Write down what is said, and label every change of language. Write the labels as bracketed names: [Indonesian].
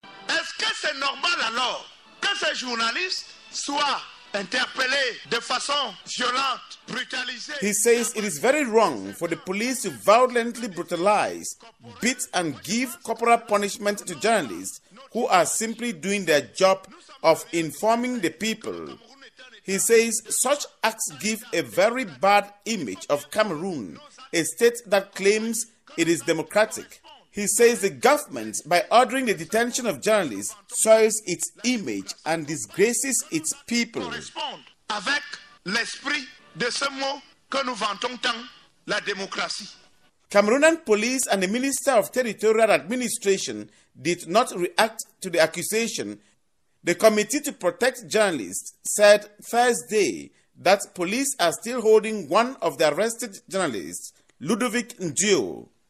[French] Est-ce que c'est normal alors que ces journalistes soient interpellés de façon violente, brutalisée? [English] He says it is very wrong for the police to violently brutalize, beat and give corporal punishment to journalists who are simply doing their job of informing the people. He says such acts give a very bad image of Cameroon, a state that claims it is democratic. He says the government, by ordering the detention of journalists, soils its image and disgraces its people. [French] Correspond avec l'esprit de ce mot que nous vantons tant, la démocratie. [English] Cameroonian police and the Minister of Territorial Administration did not react to the accusation. The Committee to Protect Journalists said Thursday that police are still holding one of the arrested journalists, Ludovic Ndio.